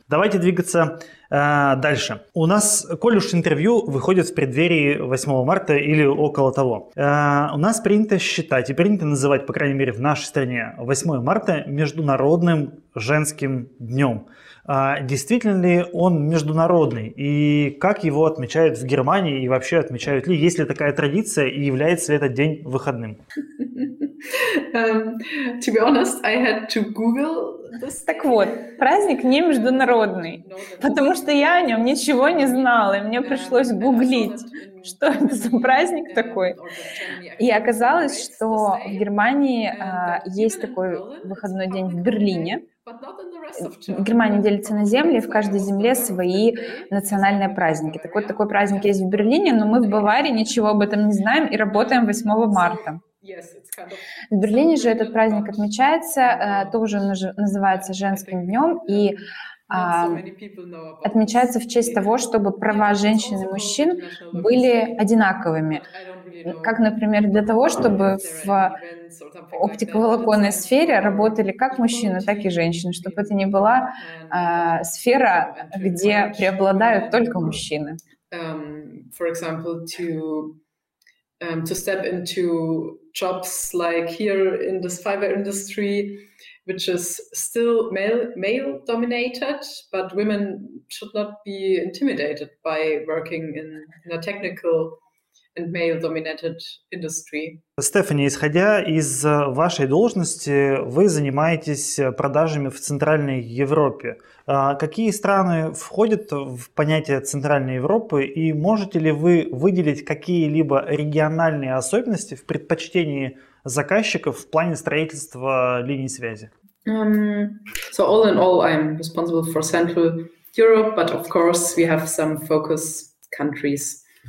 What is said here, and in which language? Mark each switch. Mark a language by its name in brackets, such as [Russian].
[Russian] Давайте двигаться дальше. У нас, коль уж интервью выходит в преддверии 8 марта или около того, у нас принято считать и принято называть, по крайней мере в нашей стране, 8 марта международным женским днем. Действительно ли он международный? И как его отмечают в Германии и вообще отмечают ли? Есть ли такая традиция и является ли этот день выходным? [English] To be honest, I had to Google. [Russian] Так вот, праздник не международный, потому что я о нем ничего не знала, и мне пришлось гуглить, что это за праздник такой. И оказалось, что в Германии есть такой выходной день в Берлине. Германия делится на земли, и в каждой земле свои национальные праздники. Так вот, такой праздник есть в Берлине, но мы в Баварии ничего об этом не знаем и работаем 8 марта. В Берлине же этот праздник отмечается, тоже называется женским днем, и отмечается в честь того, чтобы права женщин и мужчин были одинаковыми. как, например, для того, чтобы в оптиковолоконной сфере работали как мужчины, так и женщины, чтобы это не была сфера, где преобладают только мужчины. [English] For example, to step into jobs like here in this fiber industry, which is still male dominated, but women should not be intimidated by working in a technical and male dominated industry. [Russian] Стефани, исходя из вашей должности, вы занимаетесь продажами в Центральной Европе. Какие страны входят в понятие Центральной Европы, и можете ли вы выделить какие-либо региональные особенности в предпочтении заказчиков в плане строительства линий связи? [English] So all in all, I'm responsible for Central Europe, but of course we have some focus countries.